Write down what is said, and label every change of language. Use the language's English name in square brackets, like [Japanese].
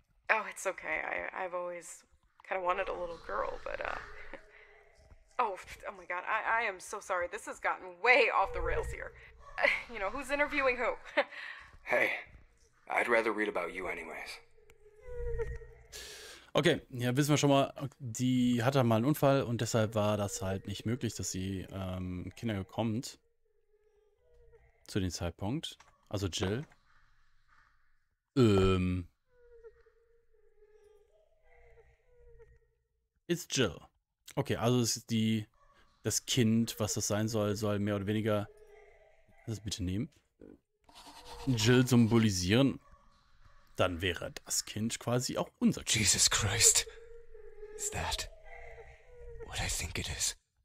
[English] Oh, it's okay. I've always kind of wanted a little girl, but, Oh my god, I am so sorry. This has gotten way off the rails here. You know, who's interviewing who? Hey, I'd rather read about you anyways. [German] Okay, ja, wissen wir schon mal, die hatte mal einen Unfall und deshalb war das halt nicht möglich, dass sie Kinder bekommt zu dem Zeitpunkt. Also Jill. [English] It's Jill. [German] Okay, also es ist das Kind, was das sein soll, soll mehr oder weniger das bitte nehmen. Jill symbolisieren. Dann wäre das Kind quasi auch unser Kind. [English] Jesus Christ. Is that what I think it is?